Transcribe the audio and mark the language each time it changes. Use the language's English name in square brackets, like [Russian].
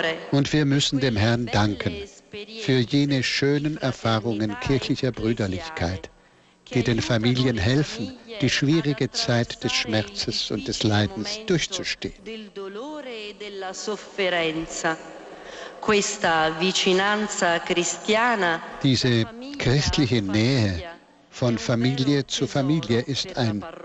[German] Und wir müssen dem Herrn danken für jene schönen Erfahrungen kirchlicher Brüderlichkeit, die den Familien helfen, die schwierige Zeit des Schmerzes und des Leidens durchzustehen. [Italian] Del dolore e della sofferenza. Questa vicinanza cristiana. [German] Diese christliche Nähe von Familie zu Familie ist ein